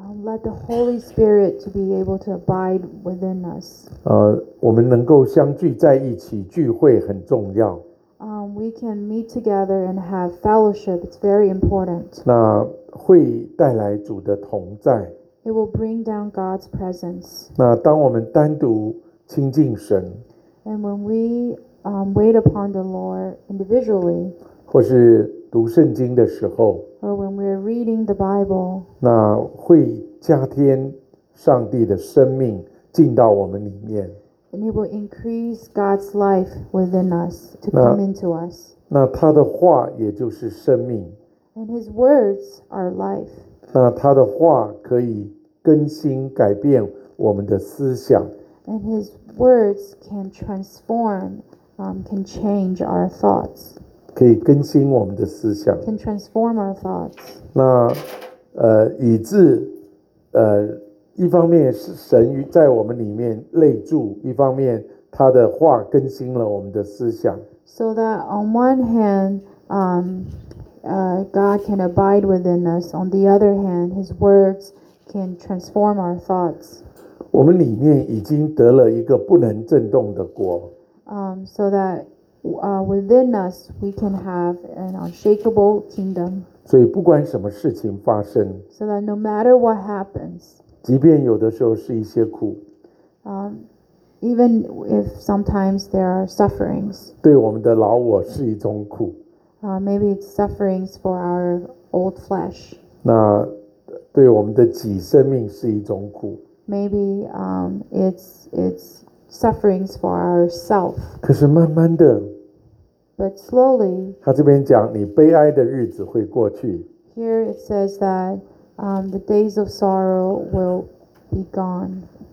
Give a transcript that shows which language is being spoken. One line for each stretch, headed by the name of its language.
English: let the Holy Spirit to be able to abide within us.
Chinese: 我们能够相聚在一起, 聚会很重要,
English: we can meet together and have fellowship, it's very important.
Chinese: 那会带来主的同在,
English: It will bring down God's presence.
Chinese: 那当我们单独亲近神,
English: And when we wait upon the Lord individually,
Chinese: 或是读圣经的时候,
English: or when we are reading the Bible,
Chinese: 那会加添上帝的生命进到我们里面,
English: And it will increase God's life within us to 那, come into us.
Chinese: 那他的话也就是生命,
English: And His words are life.
Chinese: 那他的话可以 更新改变我们的思想,
English: and His words can transform, can change our thoughts.
Chinese: 可以更新我们的思想,
English: can transform our thoughts.
Chinese: 那以致一方面神在我们里面内住，一方面他的话更新了我们的思想.
English: So that on one hand, God can abide within us. On the other hand, His words can transform our thoughts.
Chinese: 我们里面已经得了一个不能震动的国,
English: so that within us we can have an unshakable kingdom.
Chinese: 所以不管什么事情发生,
English: so that no matter what happens,
Chinese: 即便有的时候是一些苦,
English: even if sometimes there are sufferings,
Chinese: 对我们的老我是一种苦,
English: maybe it's sufferings for our old flesh.
Chinese: 那 对我们的己生命是一种苦,
English: Maybe it's sufferings for ourself.
Chinese: 可是慢慢的,
English: But slowly,
Chinese: 他这边讲,
English: Here it says that the days of sorrow will be gone.